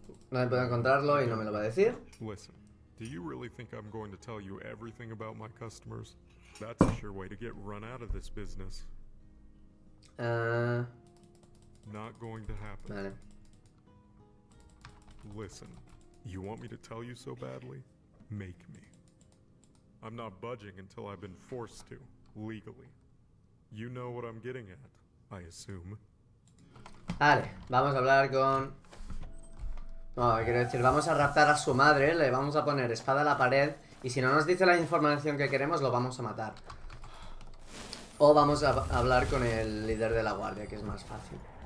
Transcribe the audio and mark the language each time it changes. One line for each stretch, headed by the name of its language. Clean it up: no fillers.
Spanish: No me puedo encontrarlo y no me lo va a decir.
English: Listen, do you really think I'm going to tell you everything about my customers? That's a sure way to get run out of this business. Not going to happen. Vale. Listen, you want me to tell you so badly? Make me. I'm not budging until I've been forced to, legally. You know what I'm getting at, I assume.
Spanish: Vale, vamos a hablar con... no, quiero decir, vamos a raptar a su madre, le vamos a poner espada a la pared... y si no nos dice la información que queremos, lo vamos a matar. O vamos a hablar con el líder de la guardia, que es más fácil.